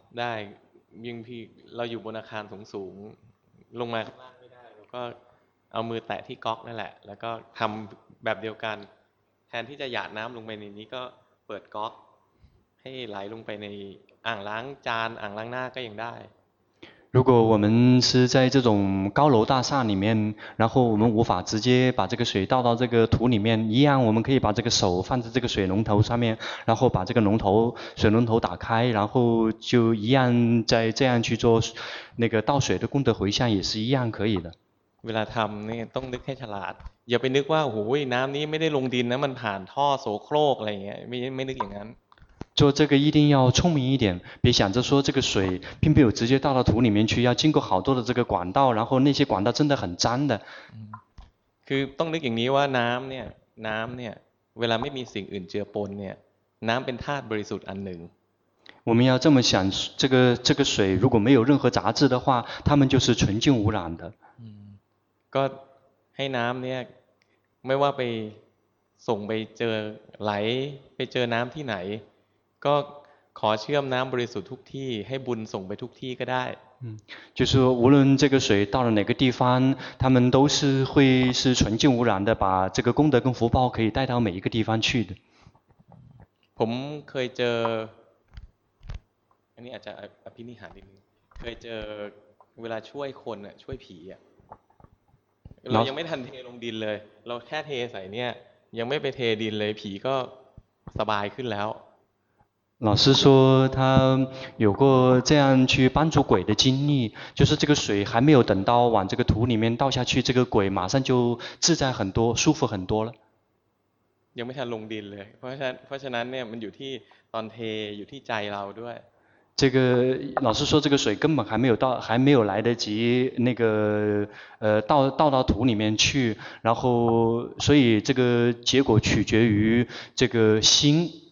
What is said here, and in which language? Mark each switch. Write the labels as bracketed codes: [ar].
[th] ได้ยิ่งพี่เราอยู่บนอาคารสูงๆลงมาข้างล่างไม่ได้เราก็เอามือแตะที่ก๊อกนั่นแหละแล้วก็ทำแบบเดียวกันแทนที่จะหยาดน้ำลงไปในนี้ก็เปิดก๊อกให้ไหลลงไปในอ่างล้างจานอ่างล้างหน้าก็ยังได้ [zh] 如果我们是在这种高楼大厦里面然后我们无法直接把这个水倒到这个土里面一样我们可以把这个手放在这个水龙头上面然后把这个水龙头打开然后就一样再这样去做那个倒水的功德回向也是一样可以的 [th] เวลาทำนี่ต้องนึกให้ฉลาดอย่าไปนึกว่าโอ้โหน้ำนี้ไม่ได้ลงดินนะมันผ่านท่อโสโครกอะไรเงี้ยไม่นึกอย่างนั้น [zh] 做这个一定要聪明一点，别想着说这个水并没有直接倒到土里面去，要经过好多的这个管道，然后那些管道真的很脏的。 [th] คือต้องนึกอย่างนี้ว่าน้ำเนี่ยน้ำเนี่ยเวลาไม่มีสิ่งอื่นเจือปนเนี่ยน้ำเป็นธาตุบริสุทธิ์อันหนึ่ง [zh] 我们要这么想，这个水如果没有任何杂质的话，它们就是纯净无染的。 [th] ก็ให้น้ำเนี่ยไม่ว่าไปส่งไปเจอไหลไปเจอน้ำที่ไหนก็ขอเชื่อมน้ำบริสุทธิ์ทุกที่ให้บุญส่งไปทุกที่ก็ได้ [zh] 就是无论这个水到了哪个地方，他们都是会是纯净无染的，把这个功德跟福报可以带到每一个地方去的。 [th] ผมเคยเจออันนี้อาจจะอภินิหารนิดนึงเคยเจอเวลาช่วยคนช่วยผีเรายังไม่ทันเทลงดินเลยเราแค่เทใส่เนี่ยยังไม่ไปเทดินเลยผีก็สบายขึ้นแล้ว [zh] 老师说他有过这样去帮助鬼的经历，就是这个水还没有等到往这个土里面倒下去，这个鬼马上就自在很多，舒服很多了。 [th] ยังไม่ทันลงดินเลยเพราะฉะนั้นเนี่ยมันอยู่ที่ตอนเทอยู่ที่ใจเราด้วย [zh] 这个老师说这个水根本还没有到，还没有来得及那个倒到土里面去，然后所以这个结果取决于这个心。